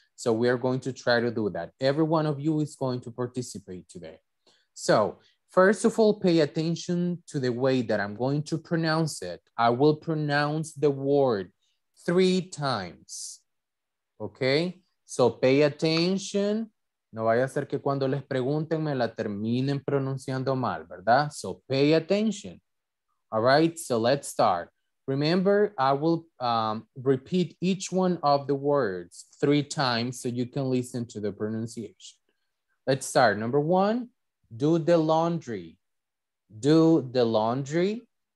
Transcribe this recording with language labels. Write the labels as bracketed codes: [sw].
[en] So we are going to try to do that. Every one of you is going to participate today. So first of all, pay attention to the way that I'm going to pronounce it. I will pronounce the word three times, okay? So pay attention. [es] No vaya a ser que cuando les pregunten me la terminen pronunciando mal, ¿verdad? [en] So pay attention. All right, so let's start. Remember, I will repeat each one of the words three times so you can listen to the pronunciation. Let's start. Number one, do the laundry. Do the laundry.